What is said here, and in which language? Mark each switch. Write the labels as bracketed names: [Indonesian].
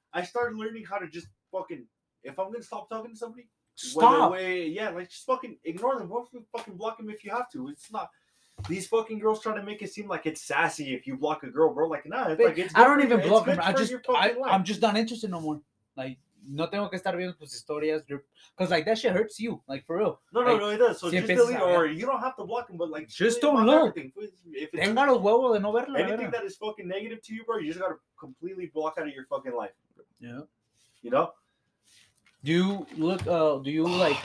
[English] I started learning how to just fucking, if I'm gonna stop talking to somebody, just fucking ignore them. Fucking block them if you have to. It's not. These fucking girls try to make it seem like it's sassy if you block a girl, bro. Like, nah, I don't even block them. I'm just not interested no more. [Spanish] Like, no tengo que estar viendo tus historias. [English] Because, like, that shit hurts you. Like, for real. No, it does. So si just delete or you don't have to block them, but, like, just don't look. [Spanish] Tenga los huevos de no verla. [English] Anything that is fucking negative to you, bro, you just got to completely block out of your fucking life. Yeah. You know? Do you keep up with your ex?